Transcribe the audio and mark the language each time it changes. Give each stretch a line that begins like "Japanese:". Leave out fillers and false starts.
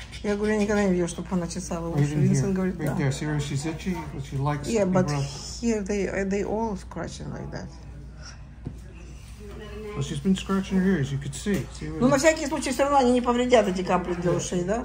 Russian: Я говорю, я никогда не видел, чтобы она чесала уши. Винсент говорит,
English: right there, see her, she's itchy, but she likes to be rough. Yeah, but here they all scratching like that. Well, she's been scratching her ears, you could see.
Russian: Ну, на всякий случай, все равно они не повредят эти капли для ушей, да?